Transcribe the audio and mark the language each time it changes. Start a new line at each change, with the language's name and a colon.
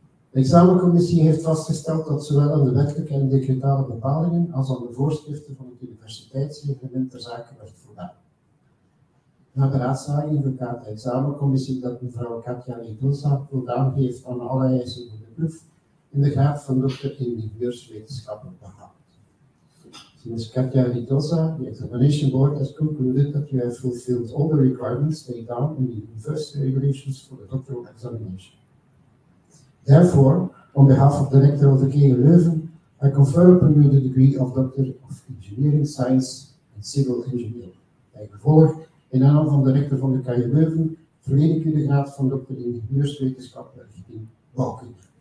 Dutch: De examencommissie heeft vastgesteld dat zowel aan de wettelijke en decretale bepalingen als aan de voorschriften van het universiteitsreglement ter zake werd voldaan. Na beraadslaging verklaart de examencommissie dat mevrouw Katia Ritosa voldaan heeft aan alle eisen van de proef in de graad van dokter in ingenieurswetenschappen behaald.
English: Ms. Katia Ritosa, the examination board has concluded that you have fulfilled all the requirements laid down in the university regulations for the doctoral examination. Therefore, on behalf of the rector of the KU Leuven, I confer upon you the degree of doctor of engineering science and civil engineering.
Dutch: Bijgevolg, in naam van de rector van de KU Leuven, verleen ik u de graad van dokter in ingenieurswetenschappen in bouwkunde.